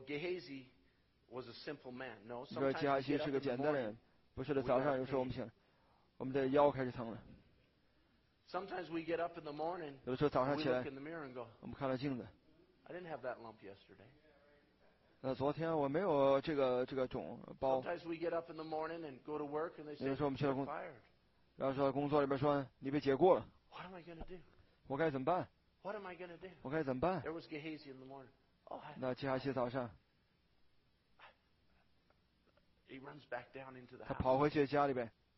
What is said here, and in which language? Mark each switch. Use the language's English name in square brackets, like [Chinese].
[Chinese] 基哈西是个简单的人，不是的，早上有时候我们醒，我们的腰开始疼了。 [English] Sometimes we get up in the morning. [Chinese] 有时候早上起来 [English] we look in the mirror and go, [Chinese] 我们看到镜子。 [English] I didn't have that lump yesterday. [Chinese] 那昨天我没有这个肿包。 [English] Sometimes we get up in the morning and go to work and they say, [Chinese] 有时候我们去了工作，然后说工作里边说你被解雇了。 [English] What am I going to do? [Chinese] 我该怎么办？ [English] What am I going to do? [Chinese] 我该怎么办？ [English] There was Gehazi in the morning. Oh, [Chinese] 那基哈西早上。 [English] He runs back down into the [Chinese] house. 他跑回去家里边。